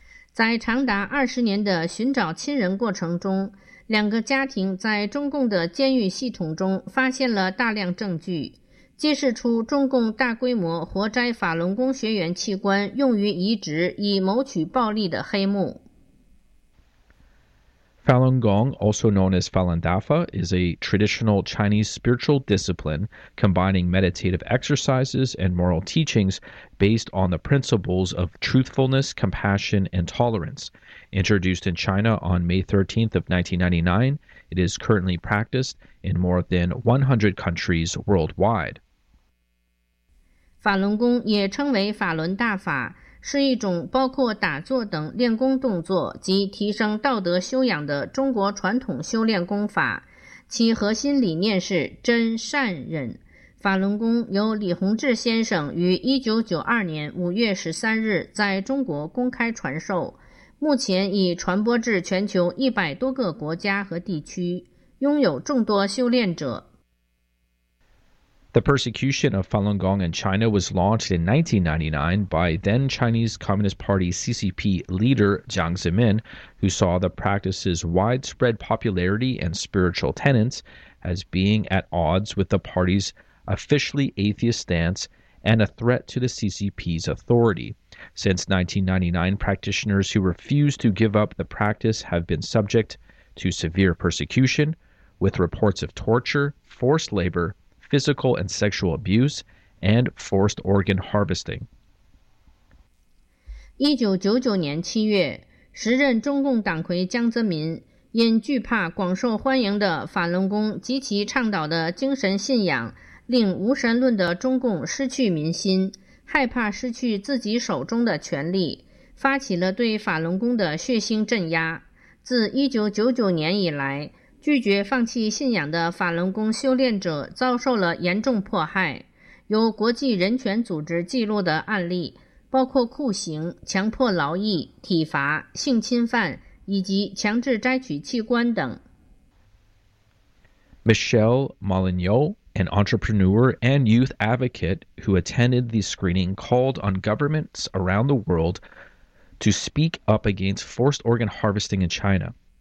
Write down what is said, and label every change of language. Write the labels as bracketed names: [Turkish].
[Chinese] 在长达20年的寻找亲人过程中，两个家庭在中共的监狱系统中发现了大量证据，揭示出中共大规模活摘法轮功学员器官用于移植以谋取暴利的黑幕。 [English] Falun Gong, also known as Falun Dafa, is a traditional Chinese spiritual discipline combining meditative exercises and moral teachings based on the principles of truthfulness, compassion, and tolerance. Introduced in China on May 13th of 1999, it is currently practiced in more than 100 countries worldwide. [Chinese] 法轮功也称为法轮大法，是一种包括打坐等练功动作及提升道德修养的中国传统修炼功法，其核心理念是真善忍。法轮功由李洪志先生于1992年5月13日在中国公开传授，目前已传播至全球100多个国家和地区，拥有众多修炼者。 [English] The persecution of Falun Gong in China was launched in 1999 by then Chinese Communist Party CCP leader Jiang Zemin, who saw the practice's widespread popularity and spiritual tenets as being at odds with the party's officially atheist stance and a threat to the CCP's authority. Since 1999, practitioners who refused to give up the practice have been subject to severe persecution, with reports of torture, forced labor, physical and sexual abuse, and forced organ harvesting. [Chinese] 1999年7月，时任中共党魁江泽民因惧怕广受欢迎的法轮功及其倡导的精神信仰令无神论的中共失去民心，害怕失去自己手中的权力，发起了对法轮功的血腥镇压。自1999年以来，拒绝放弃信仰的法轮功修炼者遭受了严重迫害，有国际人权组织记录的案例包括酷刑、强迫劳役、体罚、性侵犯以及强制摘取器官等。 [English] Michelle Molyneux, an entrepreneur and youth advocate who attended the screening, called on governments around the world to speak up against forced organ harvesting in China.